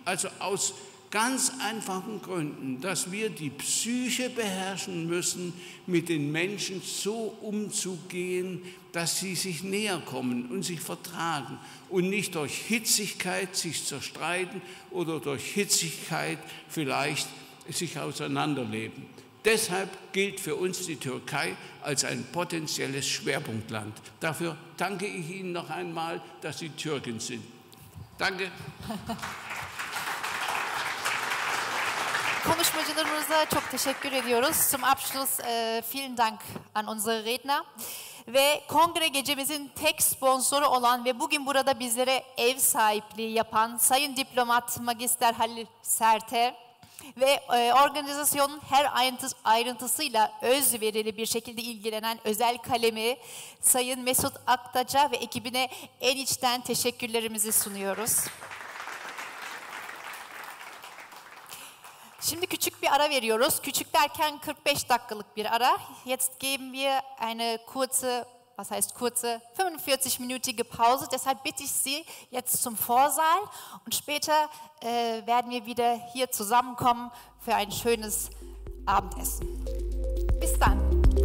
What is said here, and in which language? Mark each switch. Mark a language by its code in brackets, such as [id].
[de] Also aus ganz einfachen Gründen, dass wir die Psyche beherrschen müssen, mit den Menschen so umzugehen, dass sie sich näher kommen und sich vertragen und nicht durch Hitzigkeit sich zerstreiten oder durch Hitzigkeit vielleicht sich auseinanderleben. Deshalb gilt für uns die Türkei als ein potenzielles Schwerpunktland. Dafür danke ich Ihnen noch einmal, dass Sie Türken sind. Danke. [tr] Komisch Mücünürnüze, çok teşekkür ediyoruz. [de] Zum Abschluss vielen Dank an unsere Redner. [tr] Ve kongre gecemizin tek sponsoru olan ve bugün burada bizlere ev sahipliği yapan Sayın Diplomat Magister Halil Sert'e ve organizasyonun her ayrıntısıyla özverili bir şekilde ilgilenen özel kalemi Sayın Mesut Aktaç'a ve ekibine en içten teşekkürlerimizi sunuyoruz. Şimdi küçük bir ara veriyoruz. Küçük derken 45 dakikalık bir ara. [de] Jetzt geben wir eine kurze, was heißt kurze, 45-minütige Pause. Deshalb bitte ich Sie jetzt zum Vorsaal und später werden wir wieder hier zusammenkommen für ein schönes Abendessen. Bis dann.